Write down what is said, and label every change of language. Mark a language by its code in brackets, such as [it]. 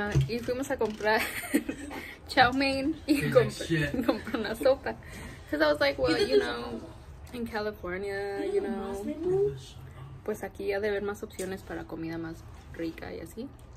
[es] Y fuimos a comprar chow mein y compré una sopa. [en] Because I was like, well, you know, in California, you know. [es] Pues aquí ha de haber más opciones para comida más rica y así.